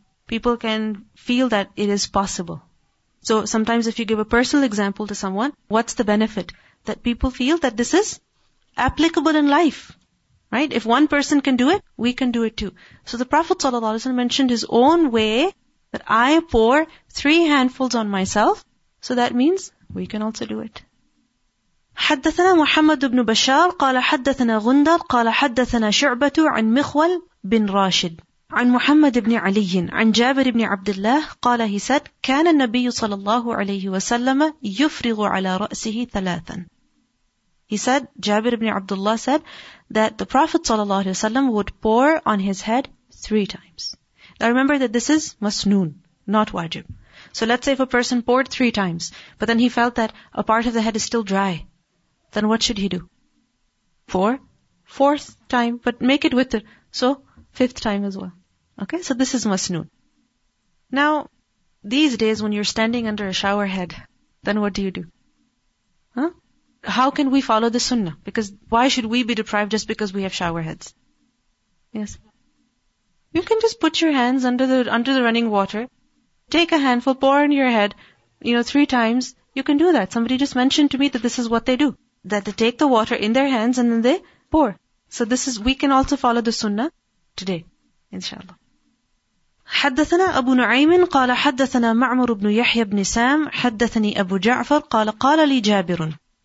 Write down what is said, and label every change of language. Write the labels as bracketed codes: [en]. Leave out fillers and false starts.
[en] People can feel that it is possible. So sometimes if you give a personal example to someone, what's the benefit? That people feel that this is applicable in life. Right? If one person can do it, we can do it too. So the Prophet ﷺ mentioned his own way, that I pour three handfuls on myself. So that means we can also do it. [ar] حدثنا محمد بن بشار قال حدثنا غندر قال حدثنا شعبة عن مخول بن راشد عن محمد بن علي عن جابر بن عبد الله قال [en] he said [ar] كان النبي صلى الله عليه وسلم يفرغ على رأسه ثلاثا. [en] He said, Jabir ibn Abdullah said that the Prophet [ar] صلى الله عليه وسلم [en] would pour on his head three times. Now remember that this is masnoon, not wajib. So let's say if a person poured three times, but then he felt that a part of the head is still dry, then what should he do? Fourth time, but make it witr. So fifth time as well. Okay, so this is masnoon. Now, these days when you're standing under a shower head, then what do you do? Huh? How can we follow the sunnah? Because why should we be deprived just because we have shower heads? Yes. You can just put your hands under the running water, take a handful, pour on your head, you know, three times. You can do that. Somebody just mentioned to me that this is what they do. That they take the water in their hands and then they pour. So this is, we can also follow the sunnah today, inshallah. [ar] حدثنا أبو نعيم قال حدثنا معمر بن يحيى بن سام حدثني أبو جعفر قال قال لي جابر.